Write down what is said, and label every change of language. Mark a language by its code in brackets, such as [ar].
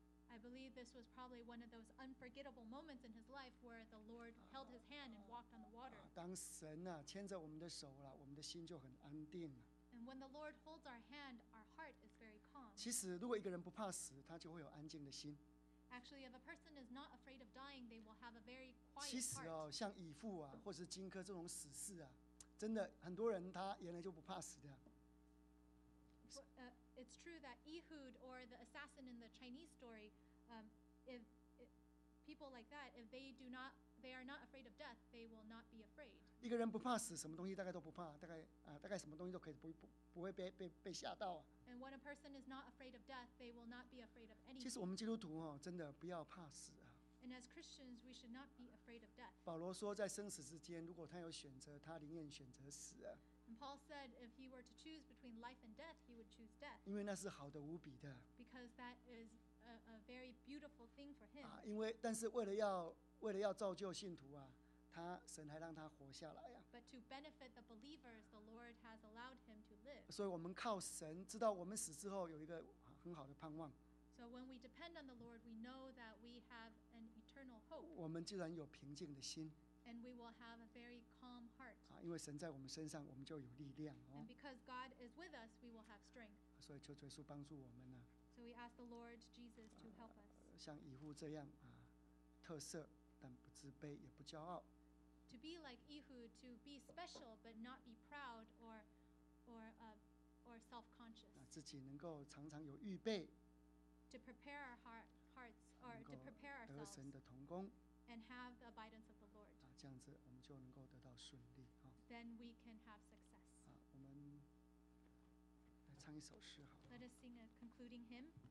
[en] I believe this was probably one of those unforgettable moments in his life where the Lord held his hand and walked on the water. [zh] 当神啊牵着我们的手啊, 我们的心就很安定啊。 [en] And when the Lord holds our hand, our heart is very calm. [zh] 其实如果一个人不怕死, 他就会有安静的心。 [en] Actually, if a person is not afraid of dying, they will have a very quiet heart. [zh] 其实哦, 像以父啊, 或是荆轲这种死士啊, 真的, 很多人他原来就不怕死的。 [en] It's true that Ehud or the assassin in the Chinese story, if people like that, if they do not, they are not afraid of death, they will not be afraid. [zh] 一个人不怕死，什么东西大概都不怕，大概啊，大概什么东西都可以不会被吓到。 [en] And when a person is not afraid of death, they will not be afraid of anything. [zh] 其实我们基督徒哦，真的不要怕死啊。 [en] And as Christians, we should not be afraid of death. [zh] 保罗说，在生死之间，如果他有选择，他宁愿选择死啊。 [en] And Paul said, if he were to choose between life and death, he would choose death. [zh] 因为那是好的无比的。 [en] Because that is a very beautiful thing for him. [zh] 啊，因为但是为了要造就信徒啊，他神还让他活下来啊。 [en] But to benefit the believers, the Lord has allowed him to live. [zh] 所以我们靠神，知道我们死之后有一个很好的盼望。 [en] So when we depend on the Lord, we know that we have an eternal hope. [zh] 我们既然有平静的心。 [en] And we will have a very calm heart. [zh] 啊，因为神在我们身上，我们就有力量哦。 [en] And because God is with us, we will have strength. [zh] 所以求主耶稣帮助我们呢。 [en] So we ask the Lord Jesus to help us. [zh] 像以弗这样啊，特赦。但不自卑，也不骄傲。 [en] To be like Ehud, to be special but not be proud or self-conscious. [zh] 自己能够常常有预备。 [en] To prepare our hearts or to prepare ourselves. [zh] 得神的同工。 [en] And have the abidance of the Lord. [zh] 这样子我们就能够得到顺利。 [en] Then we can have success. [zh] 我们来唱一首诗好了。 [en] Let us sing a concluding hymn.